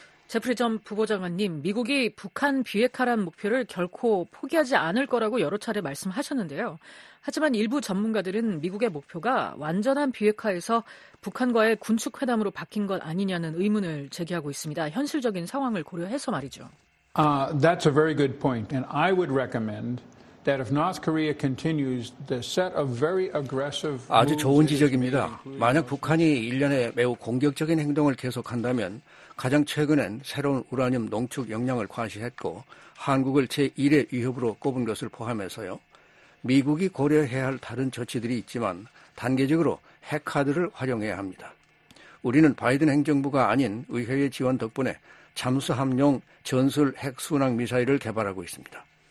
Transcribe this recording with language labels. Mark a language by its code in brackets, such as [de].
[ko] 제프리 전 부보장관님, 미국이 북한 비핵화란 목표를 결코 포기하지 않을 거라고 여러 차례 말씀하셨는데요. 하지만 일부 전문가들은 미국의 목표가 완전한 비핵화에서 북한과의 군축회담으로 바뀐 것 아니냐는 의문을 제기하고 있습니다. 현실적인 상황을 고려해서 말이죠. [en] That's a very good point. And I would recommend that if North Korea continues the set of very aggressive [ko] 아주 좋은 지적입니다. 만약 북한이 일련의 매우 공격적인 행동을 계속한다면 가장 최근엔 새로운 우라늄 농축 역량을 과시했고 한국을 제1의 위협으로 꼽은 것을 포함해서요. 미국이 고려해야 할 다른 조치들이 있지만 단계적으로 핵카드를 활용해야 합니다. 우리는 바이든 행정부가 아닌 의회의 지원 덕분에 잠수함용 전술 핵순항 미사일을 개발하고 있습니다.